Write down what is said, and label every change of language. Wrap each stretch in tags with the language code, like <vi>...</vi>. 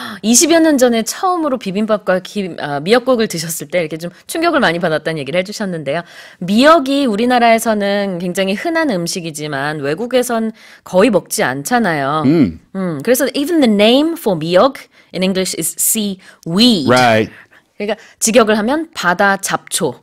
<ko>20여 년 전에 처음으로 비빔밥과 미역국을 드셨을 때 이렇게 좀 충격을 많이 받았다는 얘기를 해주셨는데요. 미역이 우리나라에서는 굉장히 흔한 음식이지만 외국에선 거의 먹지 않잖아요. 그래서</ko> <en>even the name for 미역 in English is seaweed. Right.</en> <ko>그러니까 직역을 하면 바다 잡초.</ko>